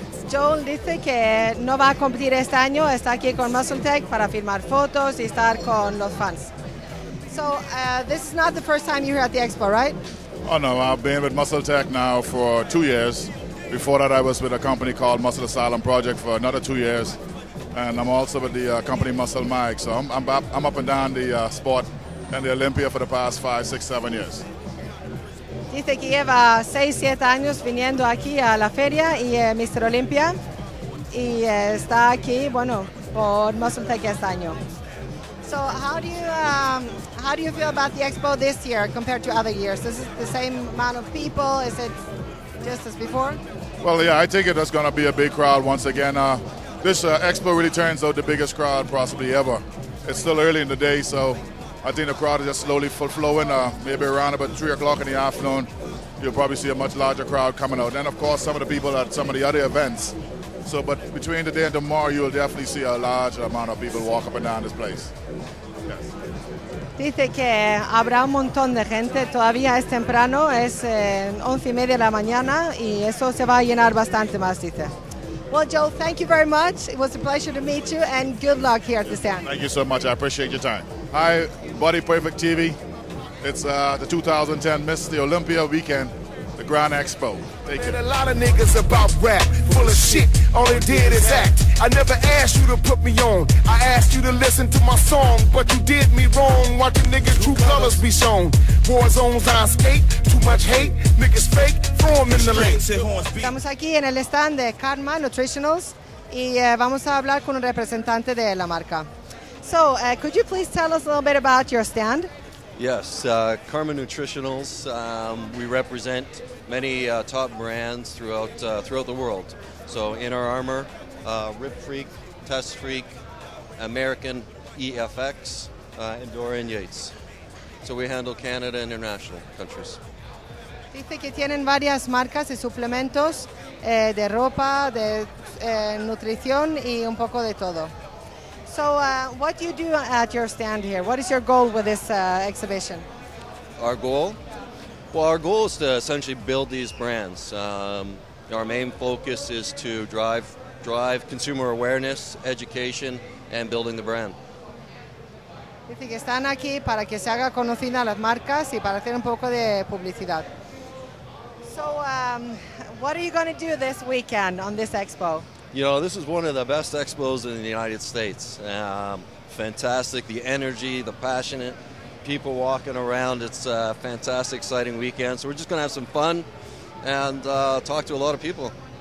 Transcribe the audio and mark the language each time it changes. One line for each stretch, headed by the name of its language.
Spanish: Joel dice que no va a competir este año, está aquí con Muscle Tech para firmar fotos y estar con los fans.
English: So, this is not the first time you're here at the Expo, right? Oh, no, I've been with Muscle Tech now for 2 years. Before that, I was with a company called Muscle Asylum Project for another 2 years. And I'm also with the company Muscle Mike. So, I'm up and down the sport and the Olympia for the past 5, 6, 7 years.
Spanish: Dice que lleva 6, 7 años viniendo aquí a la feria y Mr. Olympia y está aquí, bueno, por Muscle Tech este año.
English: So how do you feel about the expo this year compared to other years? Is it the same amount of people? Is it just as before? Well, yeah, I think it is going to be a big crowd once again. This expo really turns out the biggest crowd possibly ever. It's still early in the day, so I think the crowd is just slowly flowing. Maybe around about 3 o'clock in the afternoon, you'll probably see a much larger crowd coming out. And of course, some of the people at some of the other events. So, but between today and tomorrow, you'll definitely see a large amount of people walk up and down this place. Yes.
Spanish: Dice que habrá un montón de gente. Todavía es temprano. Es 11:30 de la mañana, y eso se va a llenar bastante más. Dice.
English: Well, Joel, thank you very much. It was a pleasure to meet you, and good luck here at the stand. Thank you so much. I appreciate your time. Hi, Body Perfect TV. It's the 2010 Miss the Olympia weekend, the Grand Expo. Thank you. A lot of niggas about rap, full of shit, all they did is act. I never asked you to put me on. I asked you to listen to my song, but you did me wrong. Watching niggas' true colors be shown. War zones I escape, too much hate. Niggas fake, throw them in the lake.
Spanish: Estamos aquí en el stand de Karma Nutritionals y vamos a hablar con un representante de la marca.
English: So, could you please tell us a little bit about your stand? Yes, Karma Nutritionals. We represent many top brands throughout throughout the world. So, Inner Armor, Rip Freak, Test Freak, American EFX, and Dorian Yates. So, we handle Canada and international countries.
Spanish: Dice que tienen varias marcas y suplementos de ropa, de nutrición y un poco de todo.
English: So, what do you do at your stand here? What is your goal with this exhibition? Our goal? Well, our goal is to essentially build these brands. Our main focus is to drive consumer awareness, education, and building the brand.
Spanish: Dice que están aquí para que se haga conocida las marcas y para hacer un poco de publicidad.
English: So, what are you going to do this weekend on this expo? You know, this is one of the best expos in the United States. Fantastic, the energy, the passionate people walking around. It's a fantastic, exciting weekend. So we're just going to have some fun and talk to a lot of people.